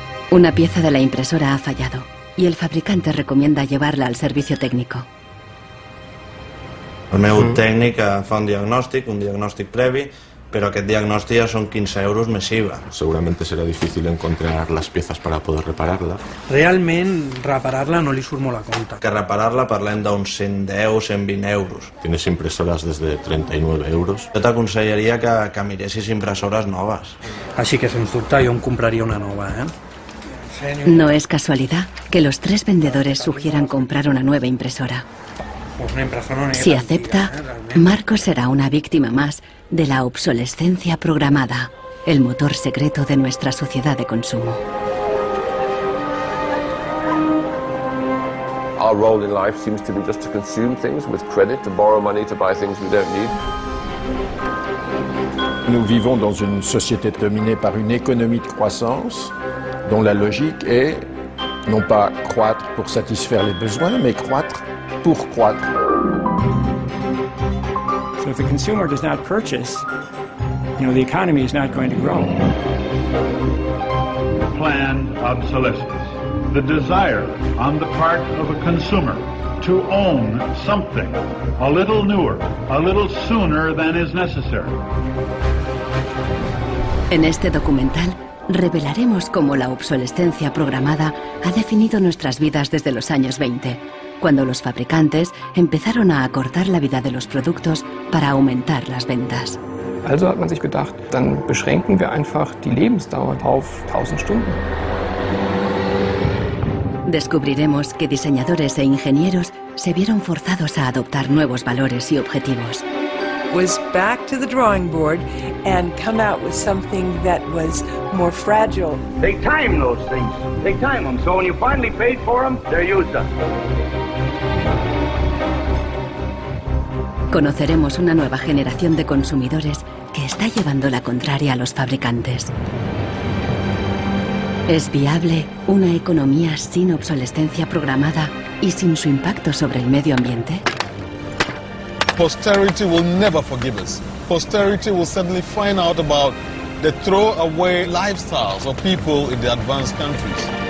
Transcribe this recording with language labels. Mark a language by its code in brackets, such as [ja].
[es] Una pieza de la impresora ha fallado y el fabricante recomienda llevarla al servicio técnico. [ca] El meu tècnic fa un diagnòstic previ, però aquest diagnòstic ja són 15 euros més IVA. Seguramente serà difícil encontrar les pieces per a poder repararla. Realment, repararla no li surt molt a compte. Que repararla parlem d'uns 110-120 euros. Tienes impresores des de 39 euros. Jo t'aconsellaria que miressis impresores noves. Així que, sens dubte, jo em compraria una nova, eh? [es] No es casualidad que los tres vendedores sugieran comprar una nueva impresora. Si acepta, Marco será una víctima más de la obsolescencia programada, el motor secreto de nuestra sociedad de consumo. [en] Our role in life seems to be just to consume things with credit, to borrow money to buy things we don't need. [fr] Nous vivons dans une société dominée par une économie de croissance. Dont la logique est non pas croître pour satisfaire les besoins, mais croître pour croître. [en] So if the consumer does not purchase, you know, the economy is not going to grow. Planned obsolescence, the desire on the part of a consumer to own something a little newer, a little sooner than is necessary. [es] En este documental revelaremos cómo la obsolescencia programada ha definido nuestras vidas desde los años 20, cuando los fabricantes empezaron a acortar la vida de los productos para aumentar las ventas. [de] Also hat man sich gedacht, dann beschränken wir einfach die Lebensdauer auf 1000 Stunden. [es] Descubriremos que diseñadores e ingenieros se vieron forzados a adoptar nuevos valores y objetivos. [en] Was back to the drawing board and come out with something that was more fragile. Take time, those things. Take time them. So when you finally paid for them, they're used up. [es] Conoceremos una nueva generación de consumidores que está llevando la contraria a los fabricantes. ¿Es viable una economía sin obsolescencia programada y sin su impacto sobre el medio ambiente? [en] Posterity will never forgive us. Posterity will suddenly find out about the throwaway lifestyles of people in the advanced countries.